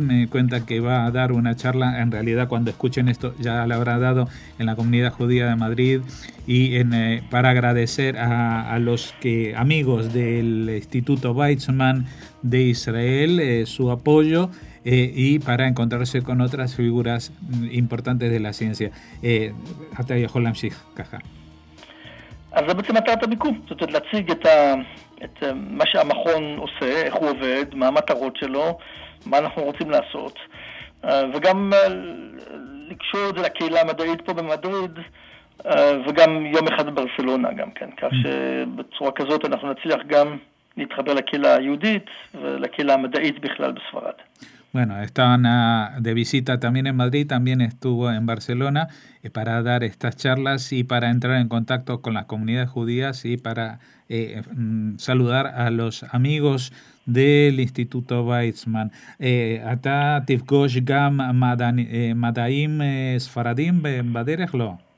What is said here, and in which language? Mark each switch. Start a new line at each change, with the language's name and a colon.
Spanish: Me cuenta que va a dar una charla. En realidad, cuando escuchen esto, ya la habrá dado en la Comunidad Judía de Madrid. Y para agradecer a los que amigos del Instituto Weizmann de Israel su apoyo y para encontrarse con otras figuras importantes de la ciencia. Hasta ahí, Jolam Shich, Caja.
Hebrew: אז זה בעצם מטרת הביקור, זאת אומרת להציג את מה שהמכון עושה, איך הוא עובד, מה המטרות שלו, מה אנחנו רוצים לעשות, וגם לקשור את זה לקהילה המדעית פה במדריד, וגם יום אחד בברסלונה גם כן, כך שבצורה כזאת אנחנו נצליח גם להתחבר לקהילה היהודית ולקהילה המדעית בכלל בספרד.
Spanish: Bueno, están de visita también en Madrid, también estuvo en Barcelona para dar estas charlas y para entrar en contacto con las comunidades judías y para saludar a los amigos del Instituto Weizmann.
Hebrew: Ata tifgosh gam madaim sfaradim bederech lo.